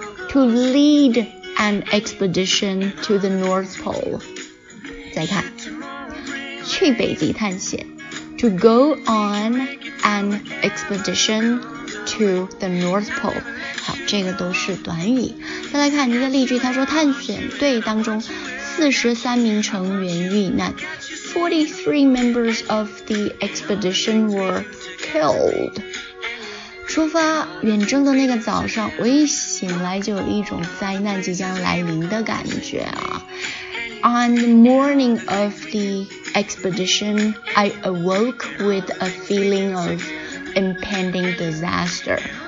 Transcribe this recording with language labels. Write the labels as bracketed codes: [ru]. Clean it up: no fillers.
[en] To lead an expedition to the North Pole. [zh] 再看，去北极探险。 [en] To go on an expedition to the North Pole. [zh] 好，这个都是短语。再来看这个例句，他说探险队当中43名成员遇难。 [en] 43 members of the expedition were killed. [zh] 出发远征的那个早上，我一醒来就有一种灾难即将来临的感觉啊。 [en] On the morning of the expedition, I awoke with a feeling of impending disaster.